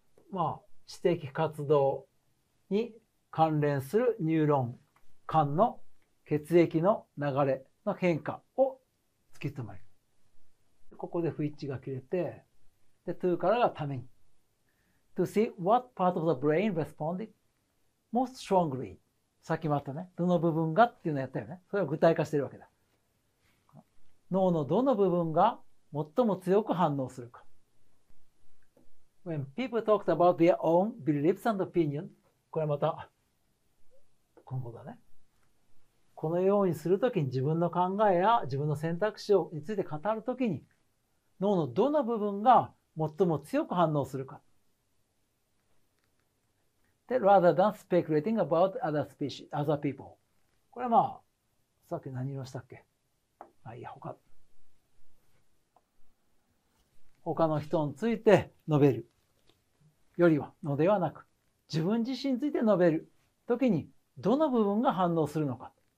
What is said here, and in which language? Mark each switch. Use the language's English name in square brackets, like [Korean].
[Japanese] まあ、知的活動に関連するニューロン、間の血液の流れの変化を突き止める。ここで不一致が切れて、で、to からがために。 [English] to see what part of the brain responded most strongly。 [Japanese] さっきもあったね。どの部分がっていうのをやったよね。それを具体化してるわけだ。脳のどの部分が最も強く反応するか。 [English] When people talked about their own beliefs and opinion、 [Japanese] これまた、今後だね。このようにするときに自分の考えや自分の選択肢について語るときに、脳のどの部分が最も強く反応するか。 [English] で、rather than speculating about other species, other people。 [Japanese] これはまあ、さっき何色したっけ？あ、いや、他。他の人について述べるよりは、のではなく、自分自身について述べるときに、どの部分が反応するのか。